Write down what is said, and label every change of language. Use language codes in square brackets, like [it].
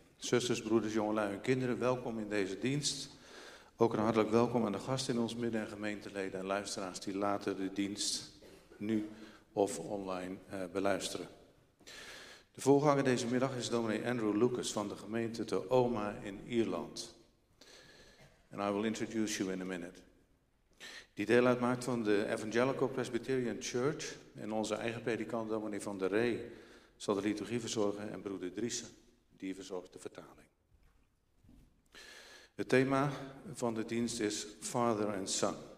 [nl] Zusters, broeders, jongelui en kinderen, welkom in deze dienst. Ook een hartelijk welkom aan de gasten in ons midden en gemeenteleden en luisteraars die later de dienst nu of online beluisteren. De voorganger deze middag is dominee Andrew Lucas van de gemeente Te Oma in Ierland. [en] And I will introduce you in a minute. [nl] Die deel uitmaakt van de Evangelical Presbyterian Church. En onze eigen predikant, dominee Van der Ree, zal de liturgie verzorgen. En broeder Driessen, die verzorgt de vertaling. Het thema van de dienst is Father and Son.